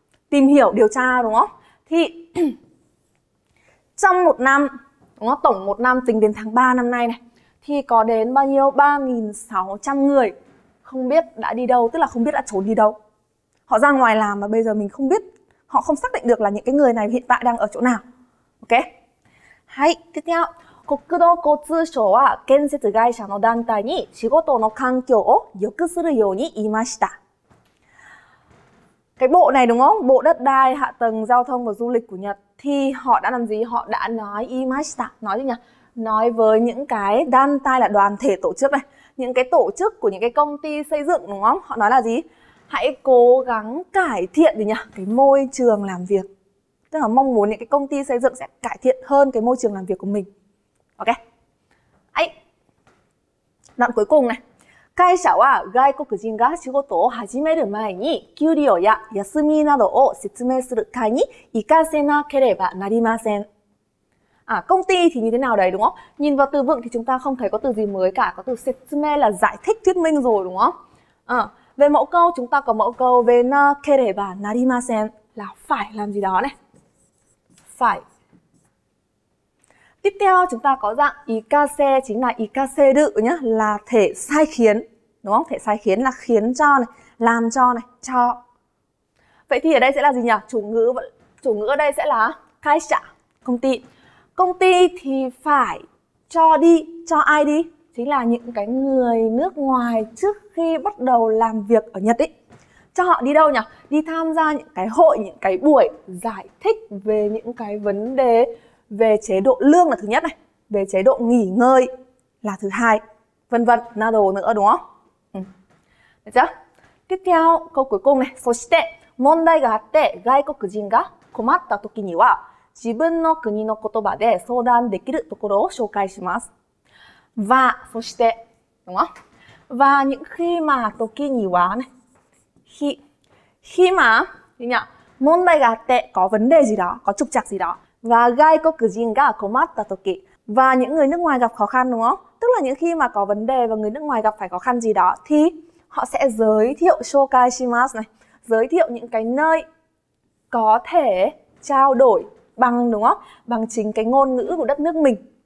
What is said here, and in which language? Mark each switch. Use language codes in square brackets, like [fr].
[vi] Tìm hiểu, điều tra đúng không? Thì trong một năm, nó tổng một năm tính đến tháng 3 năm nay này, thì có đến bao nhiêu? 3.600 người không biết đã đi đâu, tức là không biết đã trốn đi đâu. Họ ra ngoài làm mà bây giờ mình không biết, họ không xác định được là những cái người này hiện tại đang ở chỗ nào. OK? Hay, tiếp theo. [ja] 国土交通省は建設会社の団体に仕事の環境を良くするように言いました。 [vi] Cái bộ này đúng không? Bộ đất đai, hạ tầng, giao thông và du lịch của Nhật. Thì họ đã làm gì? Họ đã nói imashita. Nói gì nhỉ? Nói với những cái đan tai là đoàn thể tổ chức này. Những cái tổ chức của những cái công ty xây dựng đúng không? Họ nói là gì? Hãy cố gắng cải thiện gì nhỉ? Cái môi trường làm việc. Tức là mong muốn những cái công ty xây dựng sẽ cải thiện hơn cái môi trường làm việc của mình. OK. Ấy. Đoạn cuối cùng này. [ja] 会社は外国人が仕事を始める前に給料や休みなどを説明する会に行かせなければなりません。 [vi] À, công ty thì như thế nào đấy đúng không? Nhìn vào từ vựng thì chúng ta không thấy có từ gì mới cả. Có từ 説明 là giải thích, thuyết minh rồi đúng không? À, về mẫu câu, chúng ta có mẫu câu về [ja] なければなりません [vi] là phải làm gì đó này. Phải. Tiếp theo chúng ta có dạng ikase, chính là ikaseru nhá, là thể sai khiến, đúng không? Thể sai khiến là khiến cho này, làm cho này, cho. Vậy thì ở đây sẽ là gì nhỉ? Chủ ngữ ở đây sẽ là kaisha, công ty. Công ty thì phải cho đi, cho ai đi? Chính là những cái người nước ngoài trước khi bắt đầu làm việc ở Nhật ý. Cho họ đi đâu nhỉ? Đi tham gia những cái hội, những cái buổi giải thích về những cái vấn đề về chế độ lương là thứ nhất này, về chế độ nghỉ ngơi là thứ hai, vân vân, nado nữa đúng không? Được chưa? Tiếp theo câu cuối cùng này. [ja] そして問題があって外国人が困った時には自分の国の言葉で相談できるところを紹介します。 [vi] Và そして đúng không? Và những khi mà [ja] toki niwa [vi] này, khi mà gì nhỉ? [ja] 問題があって [vi] có vấn đề gì đó, có trục trặc gì đó. Và gai có cử gì cả có mắt là toki, và những người nước ngoài gặp khó khăn đúng không, tức là những khi mà có vấn đề và người nước ngoài gặp phải khó khăn gì đó thì họ sẽ giới thiệu shokai shimasu này, giới thiệu những cái nơi có thể trao đổi bằng đúng không, bằng chính cái ngôn ngữ của đất nước mình.